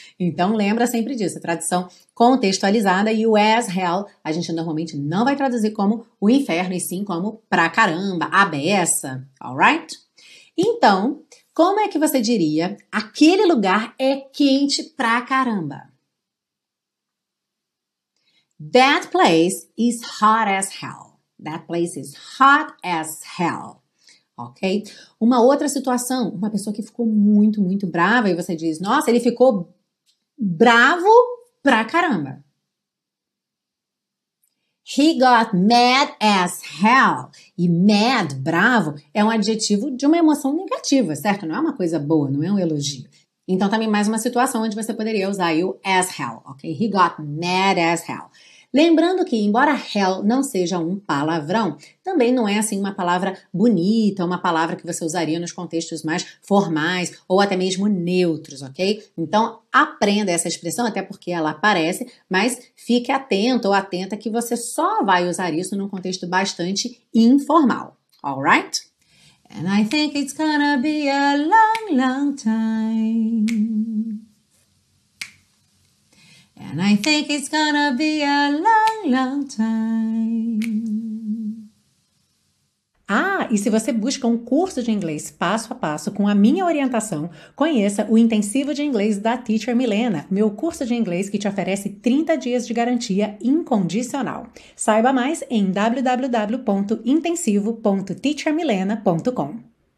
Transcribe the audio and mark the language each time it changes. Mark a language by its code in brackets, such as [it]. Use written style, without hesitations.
[pt] Então, lembra sempre disso, a tradução contextualizada e o as hell a gente normalmente não vai traduzir como o inferno, e sim como pra caramba, a beça, alright? Então, como é que você diria aquele lugar é quente pra caramba? [en] That place is hot as hell. That place is hot as hell. [pt] Ok? Uma outra situação, uma pessoa que ficou muito, muito brava e você diz, nossa, ele ficou bravo pra caramba. [en] He got mad as hell. [pt] E mad, bravo, é um adjetivo de uma emoção negativa, certo? Não é uma coisa boa, não é um elogio. Então, também mais uma situação onde você poderia usar aí o as hell, ok? [en] He got mad as hell. [pt] Lembrando que, embora hell não seja um palavrão, também não é assim uma palavra bonita, uma palavra que você usaria nos contextos mais formais ou até mesmo neutros, ok? Então, aprenda essa expressão, até porque ela aparece, mas fique atento ou atenta que você só vai usar isso num contexto bastante informal, alright? [en] And I think it's gonna be a long, long time. And I think it's gonna be a long, long time. [pt] Ah, e se você busca um curso de inglês passo a passo com a minha orientação, conheça o Intensivo de Inglês da Teacher Milena, meu curso de inglês que te oferece 30 dias de garantia incondicional. Saiba mais em www.intensivo.teachermilena.com.